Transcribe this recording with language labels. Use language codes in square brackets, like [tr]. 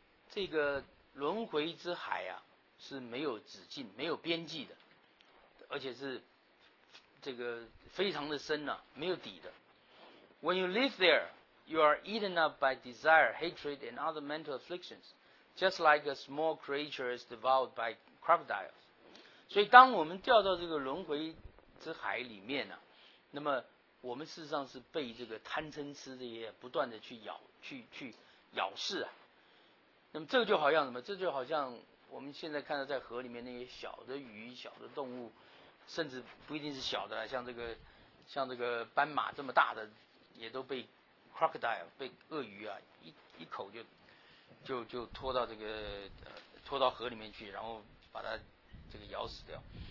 [zh] 这个轮回之海啊是没有止境、没有边际的，而且是这个非常的深啊，没有底的。 [en] When you live there, you are eaten up by desire, hatred, and other mental afflictions, just like a small creature is devoured by crocodiles. [zh] 所以当我们掉到这个轮回之海里面啊，那么我们事实上是被这个贪嗔痴这些不断的去咬，去咬噬啊。那么这个就好像什么？这就好像我们现在看到在河里面那些小的鱼、小的动物，甚至不一定是小的，像这个斑马这么大的，也都被 crocodile 被鳄鱼啊一口就拖到这个拖到河里面去，然后把它这个咬死掉。